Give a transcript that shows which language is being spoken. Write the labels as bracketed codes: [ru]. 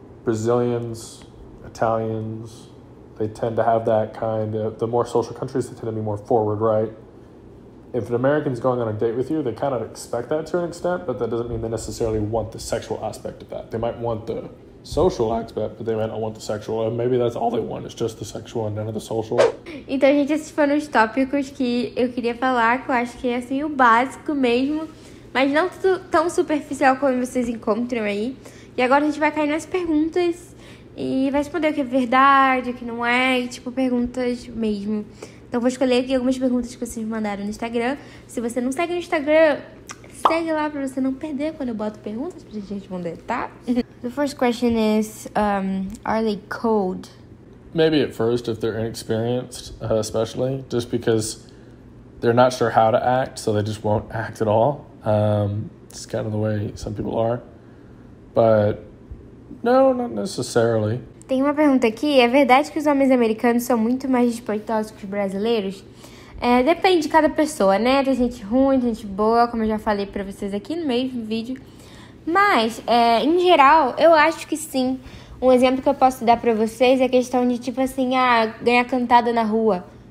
[en] Brazilians, Italians, they tend to have that kind of, the more social countries, they tend to be more forward, right? If an American's going on a date with you, they kind of expect that to an extent, but that doesn't mean they necessarily want the sexual aspect of that. They might want the social aspect, but they might not want the sexual. And maybe that's all they want, it's just the sexual and none of the social. [pt] Então, gente, esses foram os tópicos que eu queria falar, que eu acho que é assim, o básico mesmo. Mas não tudo tão superficial como vocês encontram aí. E agora a gente vai cair nas perguntas e vai responder o que é verdade, o que não é. E, tipo, perguntas mesmo. Então, vou escolher aqui algumas perguntas que vocês me mandaram no Instagram. Se você não segue no Instagram, segue lá pra você não perder quando eu boto perguntas pra gente responder, tá? [en] The first question is, are they cold? Maybe at first, if they're inexperienced, especially. Just because they're not sure how to act, so they just won't act at all. It's kind of the way some people are, but no, not necessarily. [pt] Tem uma pergunta aqui, é verdade que os homens americanos são muito mais respeitosos que os brasileiros? Depende de cada pessoa, né? Tem gente ruim, tem gente boa, como eu já falei pra vocês aqui no mesmo vídeo. Mas, em geral, eu acho que sim. Um exemplo que eu posso dar pra vocês é a questão de, tipo assim, ganhar cantada na rua.